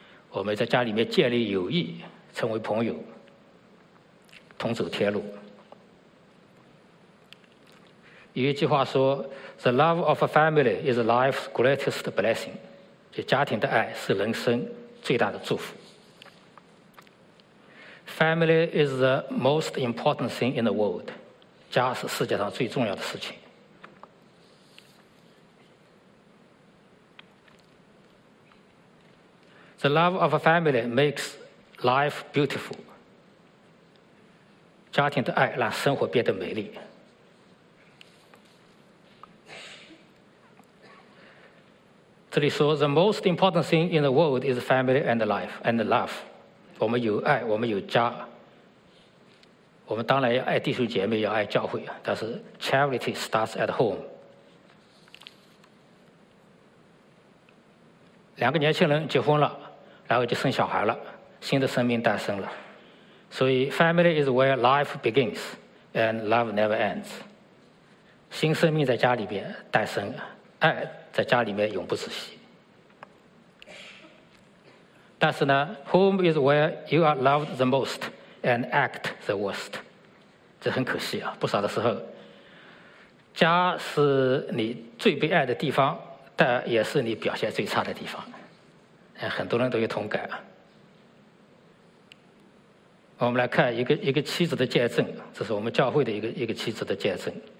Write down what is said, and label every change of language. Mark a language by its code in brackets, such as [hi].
[zh] 我们在家里面建立友谊，成为朋友，同走天路。有一句话说 [en] ：“The love of a family is life's greatest blessing。” [zh] 就家庭的爱是人生最大的祝福。 [en] Family is the most important thing in the world. [zh] 家是世界上最重要的事情。 [en] The love of a family makes life beautiful. [zh] 家庭的爱让生活变得美丽。这里说 [en] ,the most important thing in the world is family and life and love. [zh] 我们有爱，我们有家，我们当然要爱弟兄姐妹，要爱教会，但是 [en] charity starts at home。 [zh] 两个年轻人结婚了，然后就生小孩了，新的生命诞生了。所以 [en] family is where life begins and love never ends。 [zh] 新生命在家里面诞生，爱在家里面永不止息。但是呢 [en] ，home is where you are loved the most and act the worst。 [zh] 这很可惜啊，不少的时候，家是你最被爱的地方，但也是你表现最差的地方。很多人都有同感。我们来看一个妻子的见证，这是我们教会的一个妻子的见证。